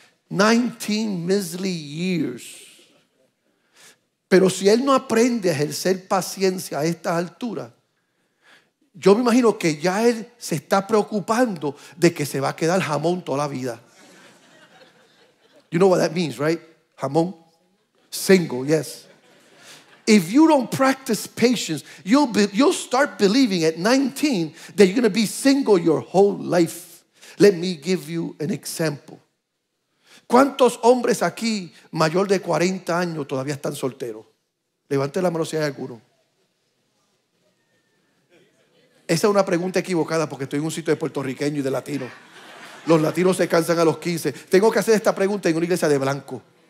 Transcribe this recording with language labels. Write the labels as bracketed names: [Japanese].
[English] 19 measly years. [Spanish] Pero si él no aprende a ejercer paciencia a esta altura, yo me imagino que ya él se está preocupando de que se va a quedar jamón toda la vida. [English] You know what that means, right? Jamón. Single, yes. If you don't practice patience, you'll start believing at 19 that you're going to be single your whole life. Let me give you an example. [Spanish] ¿Cuántos hombres aquí mayor de 40 años todavía están solteros? Levante la mano si hay alguno. Esa es una pregunta equivocada porque estoy en un sitio de puertorriqueño y de latino. Los latinos se cansan a los 15. Tengo que hacer esta pregunta en una iglesia de blanco.